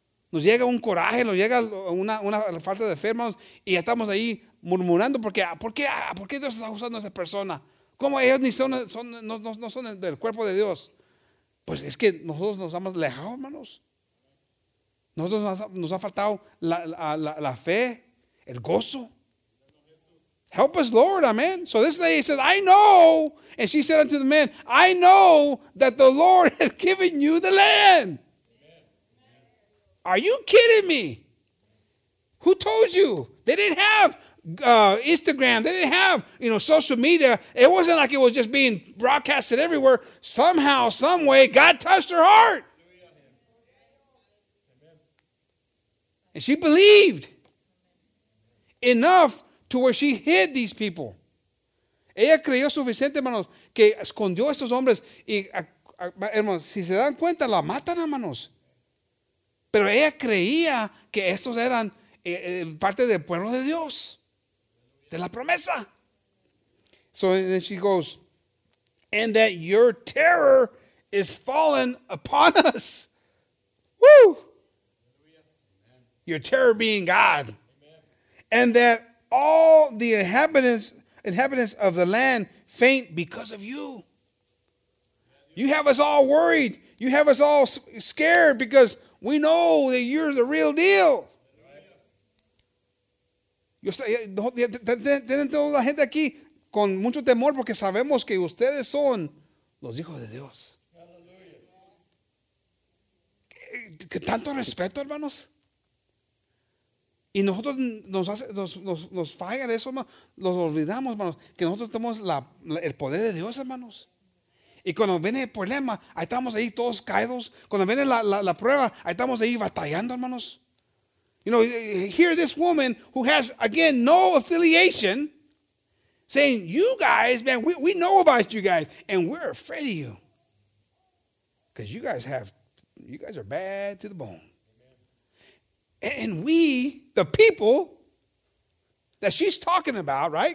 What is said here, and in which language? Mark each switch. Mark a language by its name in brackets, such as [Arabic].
[Spanish] Nos llega un coraje, nos llega una falta de fe, hermanos, y ya estamos ahí murmurando, porque ¿por qué Dios está usando a esa persona? ¿Cómo ellos ni son del cuerpo de Dios? Pues es que nosotros nos hemos alejado, hermanos. Nosotros nos ha faltado la fe, el gozo. [English] Help us, Lord, amen. So this lady says, I know, and she said unto the man, I know that the Lord has given you the land. Are you kidding me? Who told you? They didn't have Instagram. They didn't have, you know, social media. It wasn't like it was just being broadcasted everywhere. Somehow, some way, God touched her heart. And she believed enough to where she hid these people. [Spanish] Ella creyó suficiente, hermanos, que escondió a estos hombres. Y, hermanos, si se dan cuenta, la matan, hermanos. Pero ella creía que estos eran parte del pueblo de Dios, de la promesa. [English] So then she goes, and that your terror is fallen upon us. Woo! Your terror being God. And that all the inhabitants of the land faint because of you. You have us all worried. You have us all scared because we know that you're the real deal. [Spanish] Tienen toda la gente aquí con mucho temor porque sabemos que ustedes son los hijos de Dios. Que tanto respeto, hermanos. Y nosotros nos falla eso, los olvidamos, hermanos, que nosotros tenemos el poder de Dios, hermanos. Y cuando viene el problema, ahí estamos ahí todos caídos. Cuando viene la prueba, ahí estamos ahí batallando, hermanos. [English] You know, here this woman who has, again, no affiliation, saying, you guys, man, we know about you guys, and we're afraid of you. Because you guys are bad to the bone. And we, the people that she's talking about, right?